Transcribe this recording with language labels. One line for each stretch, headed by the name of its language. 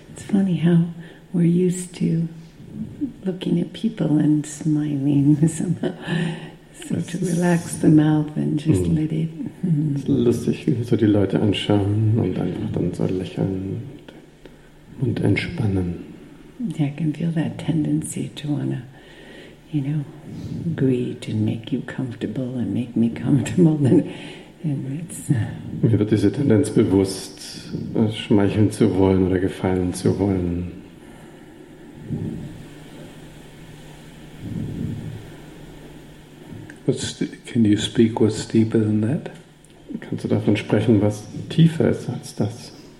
English: Funny how we're used to looking at people and smiling somehow. So to relax the mouth and just let it.
German: Es ist lustig, wie wir so die Leute anschauen und einfach dann so lächeln und entspannen.
English: Yeah, I can feel that tendency to wanna, you know, greet and make you comfortable and make me comfortable.
German: Mir wird diese Tendenz bewusst, schmeicheln zu wollen oder gefallen zu wollen.
English: Can you speak what's deeper than that?
German: Kannst du davon sprechen, was tiefer ist als das?